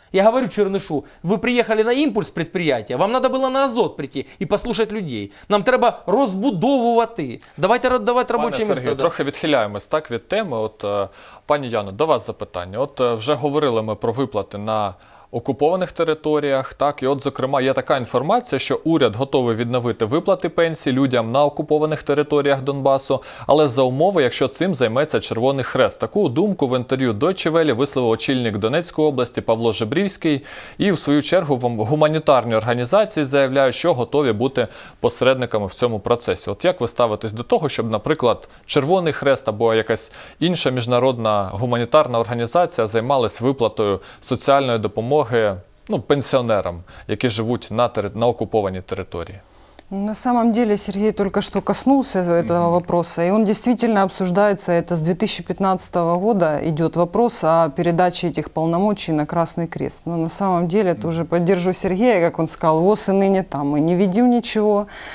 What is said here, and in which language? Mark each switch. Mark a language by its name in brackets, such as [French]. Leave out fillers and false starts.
[Russian] Я говорю Чернышу, вы приехали на импульс предприятия, вам надо было на азот прийти и послушать людей. [Ukrainian] Нам треба розбудовувати. [Russian] Давайте давати рабочие места. [Ukrainian] Пане Сергію, трохи відхиляємось так від теми. От, пані Яно, до вас запитання. От вже говорили ми про виплати на окупованих територіях, так, і от, зокрема, є така інформація, що уряд готовий відновити виплати пенсій людям на окупованих територіях Донбасу, але за умови, якщо цим займеться Червоний Хрест. Таку думку в інтерв'ю Deutsche Welle висловив очільник Донецької області Павло Жебрівський, і в свою чергу гуманітарні організації заявляють, що готові бути посередниками в цьому процесі. От як ви ставитесь до того, щоб, наприклад, Червоний Хрест або якась інша міжнародна гуманітарна організація займалась виплатою соціальної допомоги пенсионерам, які живуть на окупованій території? [Russian] На самом деле Сергей только что коснулся этого вопроса, и он действительно обсуждается, это с 2015 года идет вопрос о передаче этих полномочий на Красный Крест. Но на самом деле, тоже поддержу Сергея, как он сказал, ВОЗ и ныне там, мы не видим ничего.